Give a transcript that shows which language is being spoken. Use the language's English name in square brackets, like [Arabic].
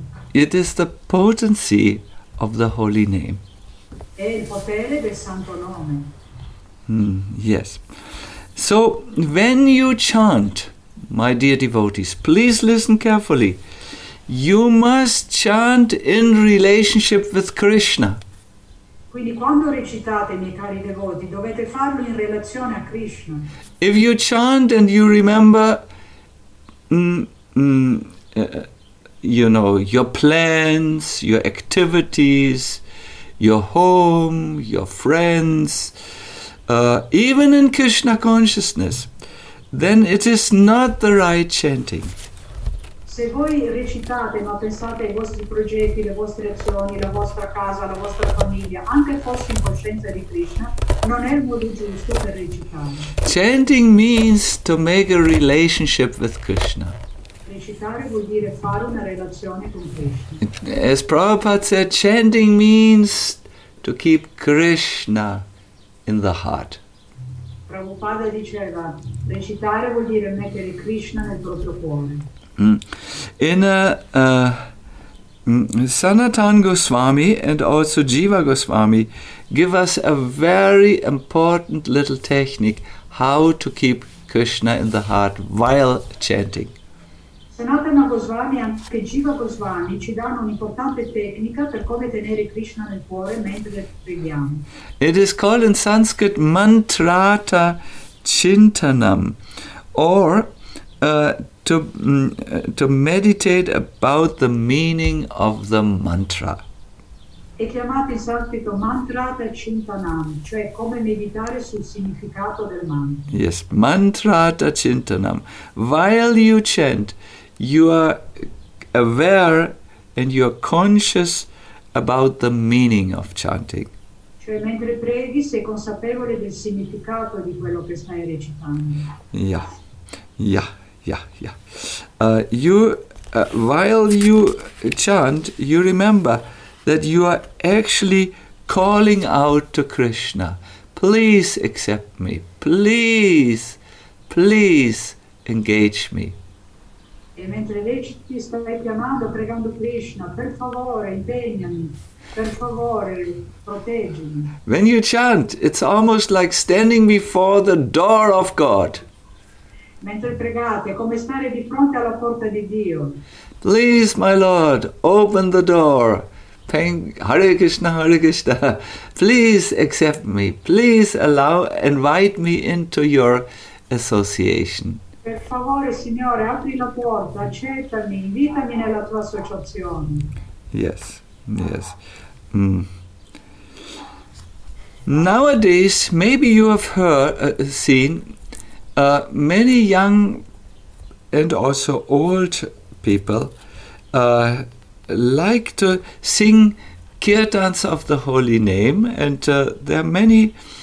[English] It is the potency of the holy name. [Italian] È il potere del santo nome. [English] Yes. So, when you chant, my dear devotees, please listen carefully. You must chant in relationship with Krishna. [Italian] Quindi quando recitate, miei cari devoti, dovete farlo in relazione a Krishna. [English] If you chant and you remember, you know, your plans, your activities, your home, your friends, even in Krishna consciousness, then it is not the right chanting. [Italian] Se voi recitate ma pensate ai vostri progetti, le vostre azioni, la vostra casa, la vostra famiglia, anche fosse in coscienza di Krishna, non è il modo giusto per recitare. [English] Chanting means to make a relationship with Krishna. [Italian] Recitare vuol dire fare una relazione con Krishna. [English] As Prabhupada said, chanting means to keep Krishna in the heart. [Italian] Prabhupada diceva, recitare vuol dire mettere Krishna nel proprio cuore. [English] In Sanatan Goswami and also Jiva Goswami give us a very important little technique how to keep Krishna in the heart while chanting. [Italian] Sanatan Goswami anche Jiva Goswami ci danno un'importante tecnica per come tenere Krishna nel cuore mentre preghiamo. [English] It is called in Sanskrit mantrata chintanam, or to meditate about the meaning of the mantra. [Italian] È chiamato in sanscrito mantrata chintanam, cioè come meditare sul significato del mantra. [English] Yes, mantrata chintanam. While you chant, you are aware and you are conscious about the meaning of chanting. [Italian] Cioè mentre preghi sei consapevole del significato di quello che stai recitando. [English] Yeah, yeah. Yeah, yeah. While you chant, you remember that you are actually calling out to Krishna. Please accept me. Please, please engage me. [Italian] E mentre leggi stai chiamando, pregando Krishna, per favore, impegnami, per favore, proteggimi. [English] When you chant, it's almost like standing before the door of God. [Italian] Mentre pregate, come stare di fronte alla porta di Dio. [English] Please, my Lord, open the door. Hare Krishna, Hare Krishna. Please accept me. Please allow, invite me into your association. [Italian] Per favore, Signore, apri la porta, accettami, invitami nella tua associazione. [English] Yes, yes. Nowadays, maybe you have seen many young and also old people like to sing kirtans of the holy name, and there are many